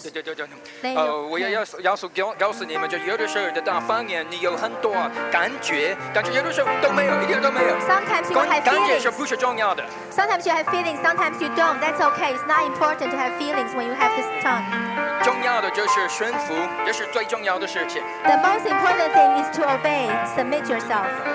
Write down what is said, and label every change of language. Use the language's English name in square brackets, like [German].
[English] Sometimes you have feelings. Sometimes you have feelings, sometimes you don't. That's okay. It's not important to have feelings when you have this tongue. [Chinese] 重要的就是顺服，这是最重要的事情。 [English] The most important thing is to obey, submit yourself.